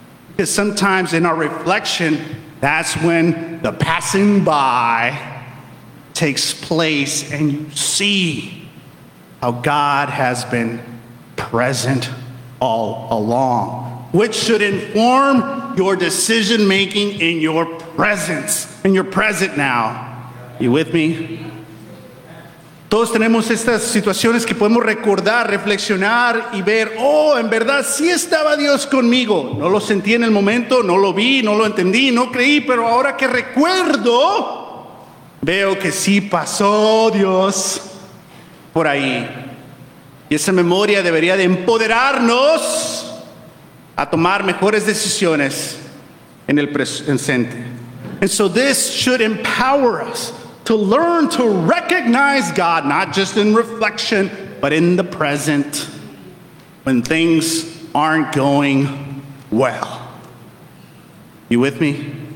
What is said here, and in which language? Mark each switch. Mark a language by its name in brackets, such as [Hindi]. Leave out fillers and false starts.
[English] Because sometimes in our reflection, that's when the passing by takes place and you see how God has been present all along, which should inform your decision making in your presence, in your present now. You with me? [Spanish] Todos tenemos estas situaciones que podemos recordar, reflexionar y ver, oh, en verdad sí estaba Dios conmigo. No lo sentí en el momento, no lo vi, no lo entendí, no creí, pero ahora que recuerdo, veo que sí pasó Dios por ahí. Y esa memoria debería de empoderarnos a tomar mejores decisiones en el presente. [English] And so this should empower us to learn to recognize God, not just in reflection, but in the present, when things aren't going well. You with me?